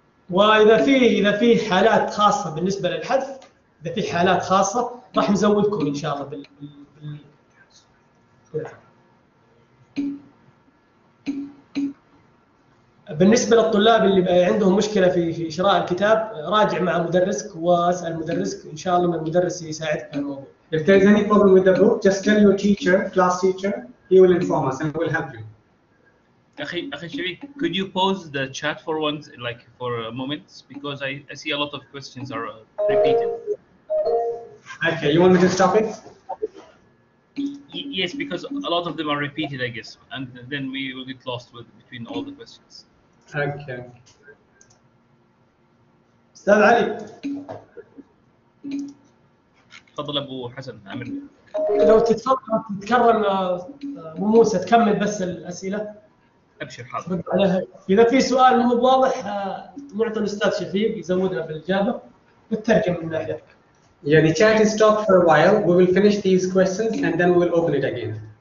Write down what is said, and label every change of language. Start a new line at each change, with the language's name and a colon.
Arabic: وإذا في حالات خاصة بالنسبة للحذف، إذا في حالات خاصة راح نزودكم إن شاء الله بالنسبة للطلاب اللي عندهم مشكلة في شراء الكتاب، راجع مع مدرسك واسأل مدرسك، إن شاء الله المدرس يساعدك في الموضوع.
English: If there's any problem with the book, just tell your teacher, class teacher, he will inform us and will help you. أخي شريك, could you pause the chat for once, like for a moment, because I see a lot of questions are repeated. Okay, you want me to stop it? Yes, because a lot of them are repeated, I guess, and then we will get lost with between all the questions. Okay.
Arabic: أستاذ علي. تفضل أبو حسن عامر. لو تتفضل تتكرم أبو موسى تكمل بس الأسئلة. أبشر حاضر. إذا في سؤال مو واضح نعطي الأستاذ شفيق يزودنا بالإجابة بالترجمة من ناحية.
English: Yeah, the chat is stopped for a while. We will finish these questions and then we will open it again.